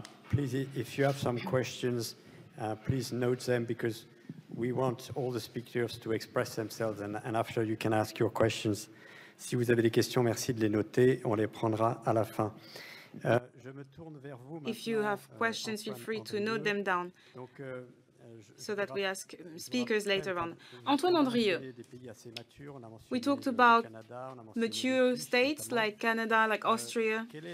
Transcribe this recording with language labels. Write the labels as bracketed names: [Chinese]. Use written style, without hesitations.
[English] Please, if you have some questions, please note them, because we want all the speakers to express themselves, and after you can ask your questions. [French] Si vous avez des questions, merci de les noter. On les prendra à la fin. Je me tourne vers vous maintenant. [English] If you have questions, feel free to note them down. [French] Donc, [English] so that we ask speakers later on. Antoine Andrieux, we talked about mature states like Canada, like Austria.